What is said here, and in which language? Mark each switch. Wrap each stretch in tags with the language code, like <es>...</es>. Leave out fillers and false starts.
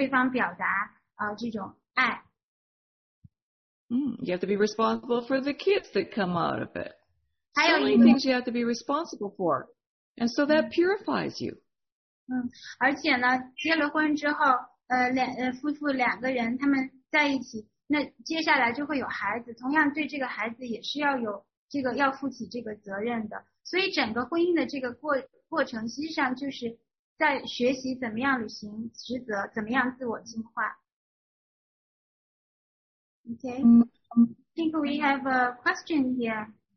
<zh>因为在婚姻当中呢，你必须要学会你怎么样去履行你的责任，你怎么样去行使你的责任感，然后你怎么样去爱对方，怎么样向对方去照顾对方，向对方表达这种爱。</zh> <en>You have to be responsible for the kids that come out of it.</en> <zh>还有一个,</zh> <en>so many things you have to be responsible for. And so that purifies you.</en> <zh>而且呢，结了婚之后，夫妇两个人他们在一起，那接下来就会有孩子，同样对这个孩子也是要负起这个责任的。所以整个婚姻的这个过程，实际上就是在学习怎么样履行职责，怎么样自我进化。</zh> <en>Okay, I think we have a question here.</en>